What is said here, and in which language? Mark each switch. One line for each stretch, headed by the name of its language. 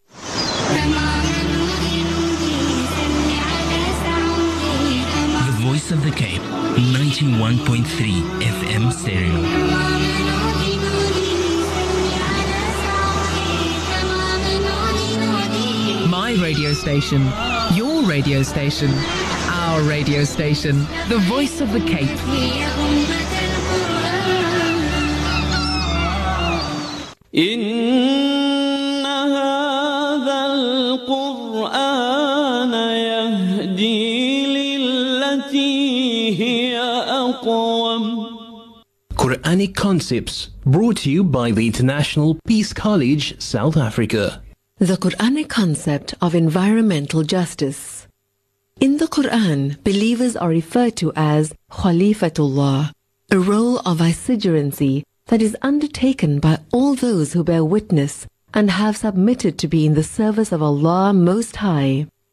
English: The Voice of the Cape, 91.3 FM stereo. My radio station, your radio station, our radio station, the Voice of the Cape.
Arabic: إن هذا القرآن يهدي للتي هي أقوم.
English: Quranic Concepts, brought to you by the International Peace College, South Africa. The Quranic Concept of Environmental Justice. In the Quran, believers are referred to as Khalifatullah, a role of vicegerency that is undertaken by all those who bear witness and have submitted to be in the service of Allah Most High.